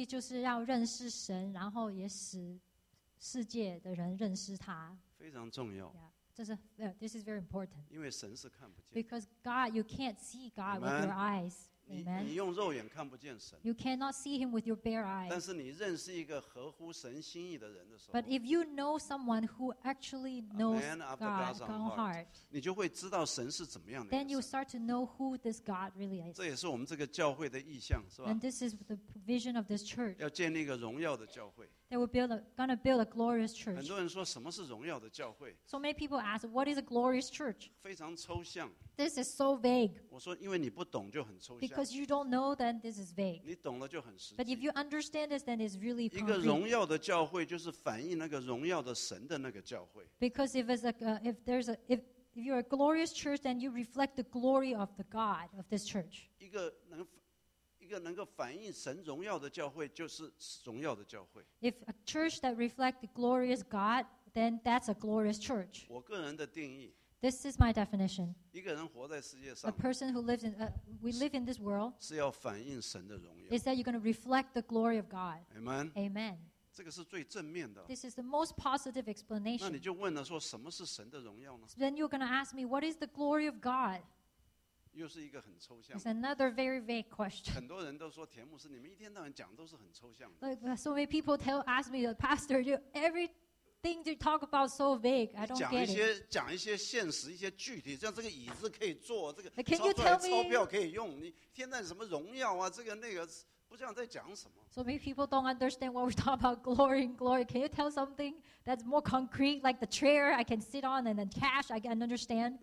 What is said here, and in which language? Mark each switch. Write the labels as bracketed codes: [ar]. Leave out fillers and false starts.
[zh] 就是活在世界上的目的就是要认识神, 然后也使世界的人认识他。非常重要, [en] yeah, [zh] 这是, [en] this is very important. [zh] 因为神是看不见, [en] because God, you can't see God with your eyes. [zh] 你用肉眼看不见神, [en] you cannot see him with your bare eyes. [zh] 但是你认识一个合乎神心意的人的时候, [en] but if you know someone who actually knows God's own heart, [zh] 你就会知道神是怎么样的神, [en] then you start to know who this God really is. [zh] 这也是我们这个教会的意向, [en] and this is the vision of this church. [zh] 要建立一个荣耀的教会, [en] they were going to build a glorious church. [zh] 很多人说什么是荣耀的教会? [en] So many people ask, what is a glorious church? [zh] 非常抽象, [en] this is so vague. [zh] 我说因为你不懂就很抽象, [en] because you don't know, then this is vague. [zh] 你懂了就很实际, [en] but if you understand this, then it's really concrete. [zh] 一个荣耀的教会就是反映那个荣耀的神的那个教会, [en] because if, it's a, if, there's a, if, if you're a glorious church, then you reflect the glory of the God of this church. [zh] 一个能够反映神荣耀的教会就是荣耀的教会。 [en] If a church that reflects the glorious God, then that's a glorious church. [zh] 我个人的定义, [en] this is my definition. [zh] 一个人活在世界上, [en] a person who lives in, we live in this world, [zh] 是要反映神的荣耀, [en] is that you're going to reflect the glory of God. Amen. Amen. [zh] 这个是最正面的, [en] this is the most positive explanation. [zh] 那你就问了说, 什么是神的荣耀呢? [en] So then you're going to ask me, what is the glory of God? [zh] 又是一个很抽象, [en] it's another very vague question. [zh] 很多人都说, 田牧师, 你们一天到晚讲都是很抽象的。 [en] Like, so many people ask me, Pastor, everything you talk about is so vague. I don't [zh] 讲一些, [en] get it. [zh] 讲一些现实, 一些具体, 像这个椅子可以坐, 这个, [en] like, can you tell me? [zh] 钞票可以用, 你天哪什么荣耀啊, 这个那个, 不知道在讲什么。 [en] So many people don't understand what we're talking about, glory and glory. Can you tell something that's more concrete, like the chair I can sit on and the cash I can understand?